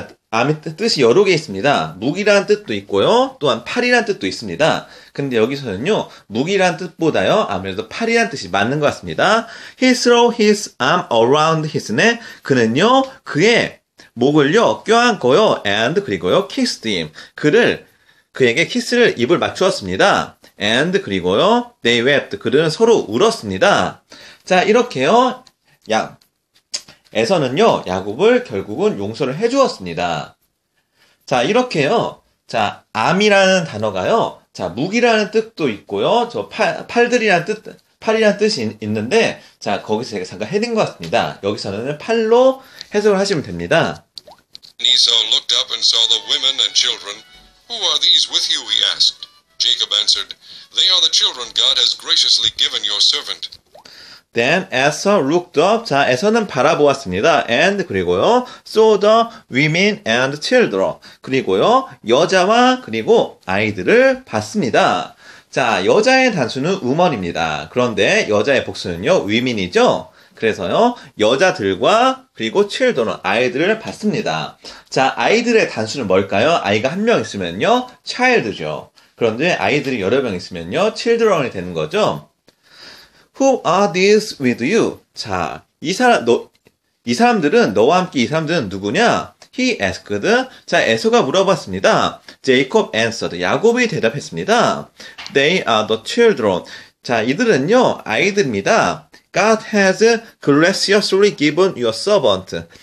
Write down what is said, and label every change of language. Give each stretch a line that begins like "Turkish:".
Korean: 암의 뜻이 여러 개 있습니다. 무기란 뜻도 있고요. 또한 팔이란 뜻도 있습니다. 근데 여기서는요, 무기란 뜻보다요, 아무래도 팔이란 뜻이 맞는 것 같습니다.
English: He threw his arm around his neck.
Korean: 그는요, 그의 목을요, 껴안고요.
English: And
Korean: 그리고요,
English: kissed him.
Korean: 그에게 키스를 입을 맞추었습니다. And 그리고요,
English: they wept.
Korean: 그들은 서로 울었습니다. 자, 이렇게요. 에서는요, 야곱을 결국은 용서를 해주었습니다. 자, 이렇게요. 자, 암이라는 단어가요. 자, 무기라는 뜻도 있고요. 저 팔이라는 뜻이 있는데, 자, 거기서 제가 잠깐 해둔 것 같습니다. 여기서는 팔로 해석을 하시면 됩니다.
English: Esau looked up and saw the women and children. Who are these with you? He asked. Jacob answered, They are the children God has graciously given your servant. Then Esau looked up.
Korean: 자, 에서는 바라보았습니다.
English: And
Korean: 그리고요,
English: saw the women and children.
Korean: 그리고요, 여자와 그리고 아이들을 봤습니다. 자, 여자의 단수는 우먼입니다. 그런데 여자의 복수는요, 위민이죠. 그래서요, 여자들과 그리고 children, 아이들을 봤습니다. 자, 아이들의 단수는 뭘까요? 아이가 한명 있으면요, child죠. 그런데 아이들이 여러 명 있으면요, children이 되는 거죠.
English: Who are these with you?
Korean: 자, 이 사람들은, 너와 함께 이 사람들은 누구냐?
English: He asked.
Korean: 자, 에서가 물어봤습니다.
English: Jacob answered.
Korean: 야곱이 대답했습니다.
English: They are the children.
Korean: 자, 이들은요, 아이들입니다.
English: God has graciously given your servant.